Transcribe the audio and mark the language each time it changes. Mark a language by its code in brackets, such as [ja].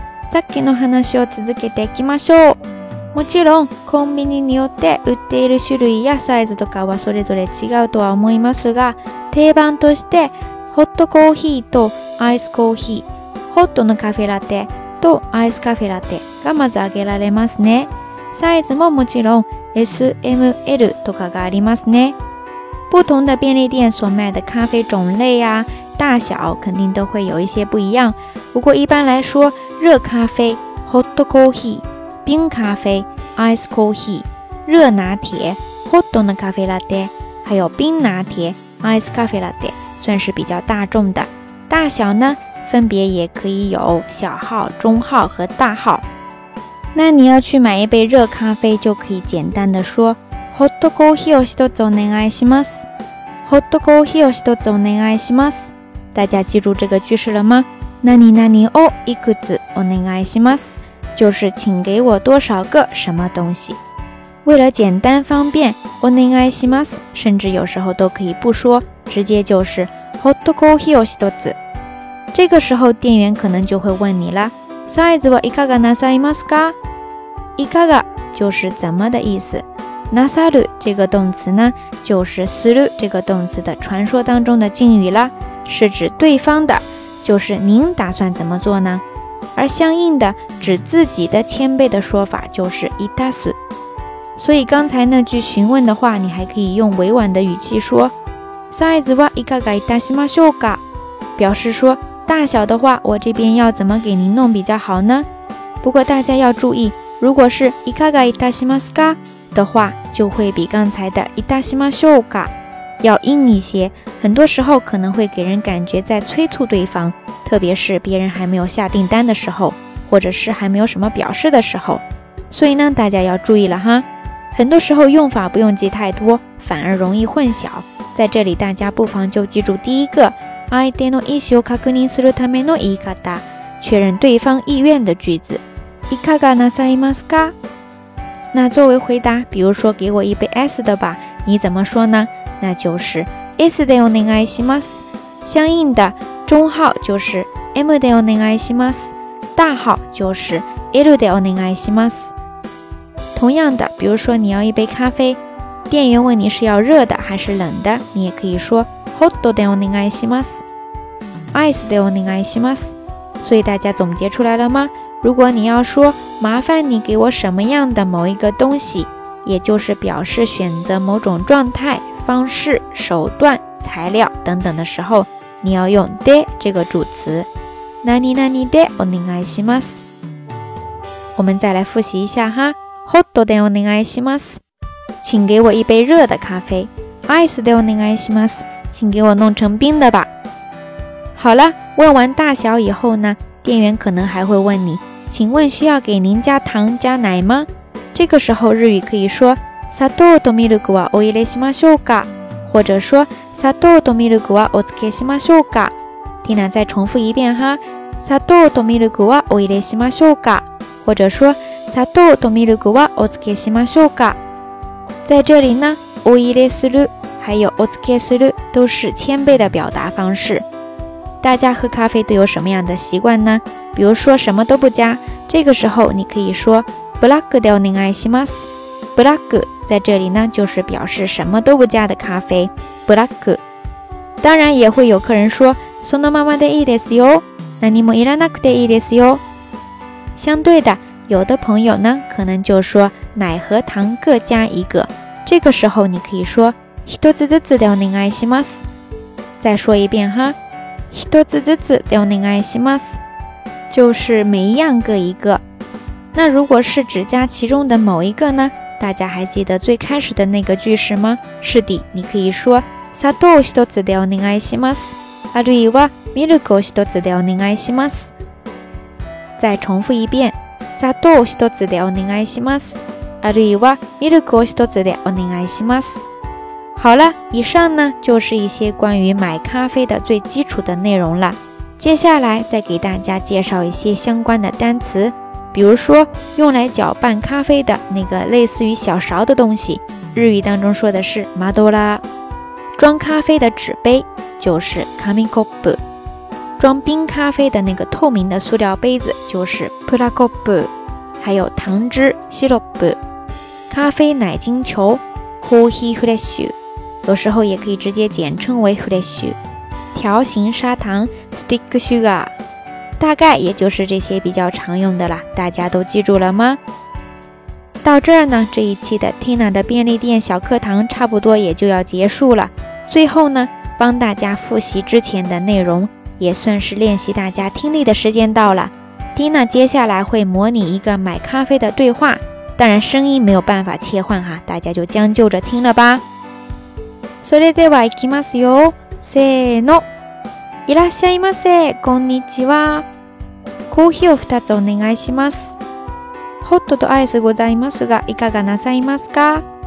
[ja] さっきの話を続けていきましょう。もちろん、コンビニによって売っている種類やサイズとかはそれぞれ違うとは思いますが、定番として、ホットコーヒーとアイスコーヒー、ホットのカフェラテとアイスカフェラテがまず挙げられますね。サイズももちろん SML とかがありますね。 [zh] 不同的便利店所卖的咖啡种类啊，大小肯定都会有一些不一样。不过一般来说，热咖啡 [en] （hot coffee）、 [zh] 冰咖啡 [en] （ice coffee）、 [zh] 热拿铁 [en] （hot coffee latte）、 [zh] 还有冰拿铁 [en] （ice coffee latte） [zh] 算是比较大众的。大小呢，分别也可以有小号、中号和大号。那你要去买一杯热咖啡，就可以简单的说。 [ja] ホットコーヒーを一つお願いします。ホットコーヒーを一つお願いします。 [zh] 大家记住这个句式了吗？ [ja] 何々をいくつお願いします。 [zh] 就是请给我多少个什么东西。为了简单方便， [ja] お願いします， [zh] 甚至有时候都可以不说，直接就是 [ja] ホットコーヒーを一つ。 [zh] 这个时候店员可能就会问你了， [ja] サイズはいかがなさいますか？ [zh] いかが就是怎么的意思。なさる这个动词呢，就是する这个动词的传说当中的敬语啦，是指对方的，就是您打算怎么做呢？而相应的指自己的谦卑的说法就是いたす。所以刚才那句询问的话，你还可以用委婉的语气说 [ja] サイズはいかがいたしましょうか， [zh] 表示说大小的话我这边要怎么给您弄比较好呢。不过大家要注意，如果是 [ja] いかがいたしますか [zh] 的话，就会比刚才的いたしましょうか要硬一些，很多时候可能会给人感觉在催促对方，特别是别人还没有下订单的时候，或者是还没有什么表示的时候。所以呢，大家要注意了哈，很多时候用法不用记太多，反而容易混淆。在这里大家不妨就记住第一个， [ja] 相手の意思を確認するための言い方， [zh] 确认对方意愿的句子， [ja] いかがなさいますか。 [zh] 那作为回答，比如说给我一杯 S 的吧，你怎么说呢？那就是 [ja] S でお願いします。 [zh] 相应的中号就是 [ja] M でお願いします， [zh] 大号就是 [ja] L でお願いします。 [zh] 同样的，比如说你要一杯咖啡，店员问你是要热的还是冷的，你也可以说 [ja] ホットでお願いします、アイスでお願いします。 [zh] 所以大家总结出来了吗？如果你要说麻烦你给我什么样的某一个东西，也就是表示选择某种状态、方式、手段、材料等等的时候，你要用で这个主词， [ja] なになにでお願いします。 [zh] 我们再来复习一下哈， [ja] ホットでお願いします、 [zh] 请给我一杯热的咖啡， [ja] アイスでお願いします、 [zh] 请给我弄成冰的吧。好了，问完大小以后呢，店员可能还会问你，请问需要给您加糖加奶吗？这个时候日语可以说 [ja] 砂糖とミルクはお入れしましょうか， [zh] 或者说 [ja] 砂糖とミルクはお付けしましょうか。ティナ [zh] 再重复一遍哈， [ja] 砂糖とミルクはお入れしましょうか， [zh] 或者说 [ja] 砂糖とミルクはお付けしましょうか。 [zh] 在这里呢，お入れする还有お付けする都是谦卑的表达方式。大家喝咖啡都有什么样的习惯呢？比如说什么都不加，这个时候你可以说 [ja] ブラックでお願いします。 [zh] ブラック在这里呢就是表示什么都不加的咖啡，ブラック。当然也会有客人说 [ja] そのままでいいですよ，何もいらなくていいですよ。 [zh] 相对的，有的朋友呢可能就说奶和糖各加一个，这个时候你可以说 [ja] 一つずつでお願いします。 [zh] 再说一遍哈， [ja] 一つずつでお願いします， [zh] 就是每一样各一个。那如果是只加其中的某一个呢？大家还记得最开始的那个句式吗？是的，你可以说 [ja] 砂糖一つでお願いします、あるいはミルク一つでお願いします。 [zh] 再重复一遍， [ja] 砂糖一つでお願いします、あるいはミルク一つでお願いします。 [zh] 好了，以上呢就是一些关于买咖啡的最基础的内容了。接下来再给大家介绍一些相关的单词，比如说用来搅拌咖啡的那个类似于小勺的东西，日语当中说的是マドラ，装咖啡的纸杯就是カミコップ，装冰咖啡的那个透明的塑料杯子就是プラコップ，还有糖汁シロップ，咖啡奶精球コーヒーフレッシュ，有时候也可以直接简称为フレッシュ，条形砂糖 stick sugar， 大概也就是这些比较常用的了，大家都记住了吗？到这儿呢，这一期的 Tina 的便利店小课堂差不多也就要结束了。最后呢，帮大家复习之前的内容，也算是练习大家听力的时间到了。 Tina 接下来会模拟一个买咖啡的对话，当然声音没有办法切换哈，大家就将就着听了吧。 [ja] それでは行きますよ。せーの、いらっしゃいませ、こんにちは。コーヒーを2つお願いします。ホットとアイスございますが、いかがなさいますか？